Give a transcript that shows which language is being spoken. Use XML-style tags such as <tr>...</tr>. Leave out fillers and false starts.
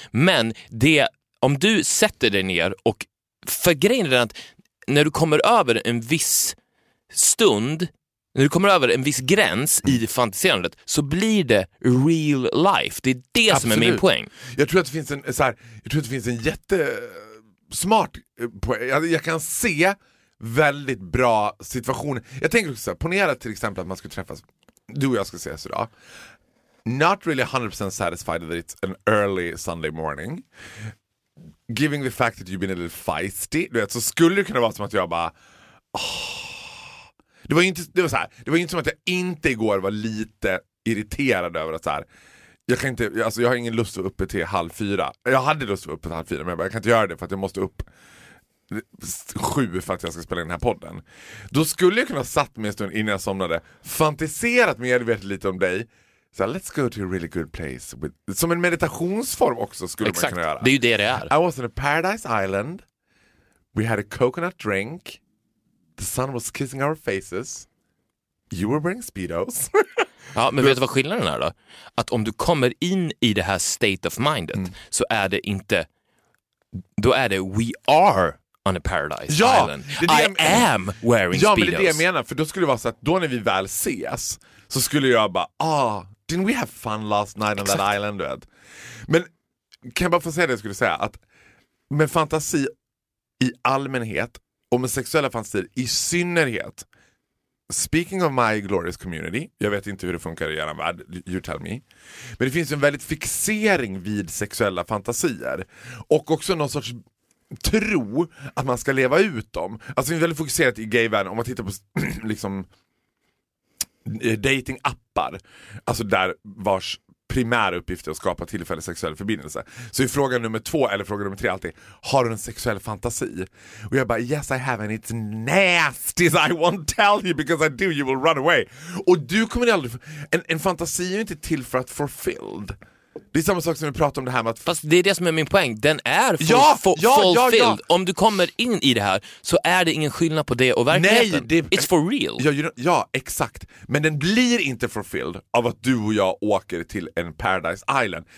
<sv>Men det, om du sätter dig ner och förgrejer den att när du kommer över en viss stund, när du kommer över en viss gräns i fantiserandet, så blir det real life. Det är det absolut som är min poäng. Jag tror att det finns en så här, jag tror att det finns en jättesmart poäng. Jag kan se väldigt bra situationer. Jag tänker också så här, ponera till exempel att man skulle träffas, du och jag ska ses idag.</sv> <en>Not really 100% satisfied that it's an early Sunday morning. Given the fact that you've been a little feisty,</en> <sv>du vet, så skulle det kunna vara som att jag bara... Det var ju inte, det var så här, det var ju inte som att jag inte igår var lite irriterad över att så här, jag kan inte, alltså jag har ingen lust att vara uppe till 3:30. Jag hade lust att vara uppe till 4:30, men jag bara, jag kan inte göra det för att jag måste upp 7 för att jag ska spela in den här podden. Då skulle jag kunna satt mig en stund innan jag somnade, fantiserat medvetet lite om dig. Så här,</sv> <en>let's go to a really good place with,</en> <sv>som en meditationsform också skulle exakt man kunna göra. Det är ju det är.</sv> <en>I was on a paradise island. We had a coconut drink. The sun was kissing our faces. You were wearing speedos.</en> <sv>Ja, men vet du vad skillnaden är då? Att om du kommer in i det här state of mindet, mm, så är det inte... Då är det</sv> <en>we are on a paradise,</en> <sv>ja,</sv> <en>island. I am wearing, speedos.</en> <sv>Ja, men det är det jag menar. För då skulle det vara så att då när vi väl ses så skulle jag bara...</sv> <en>Oh, didn't we have fun last night on exakt that island?</en> <sv>Du vet? Men kan jag bara få säga det jag skulle säga? Att med fantasi i allmänhet och med sexuella fantasier i synnerhet,</sv> <en>speaking of my glorious community,</en> <sv>jag vet inte hur det funkar i eran värld,</sv> <en>you tell me,</en> <sv>men det finns en väldigt fixering vid sexuella fantasier och också någon sorts tro att man ska leva ut dem. Alltså vi är väldigt fokuserat i gayvärlden, om man tittar på liksom datingappar, alltså där vars primära uppgift är att skapa tillfällig sexuell förbindelse. Så i fråga nummer 2 eller fråga nummer 3 alltid, har du en sexuell fantasi? Och jag bara,</sv> <en>yes I have, and it's nasty, I won't tell you because I do, you will run away.</en> <sv>Och du kommer aldrig, en fantasi är inte till för att fulfilled. Det är samma sak som vi pratar om det här med att... Fast det är det som är min poäng, den är fulfilled. Om du kommer in i det här så är det ingen skillnad på det och verkligheten. Nej, det,</sv> <en>it's for real.</en> <sv>Ja, exakt. Men den blir inte fulfilled av att du och jag åker till en paradise island.</sv>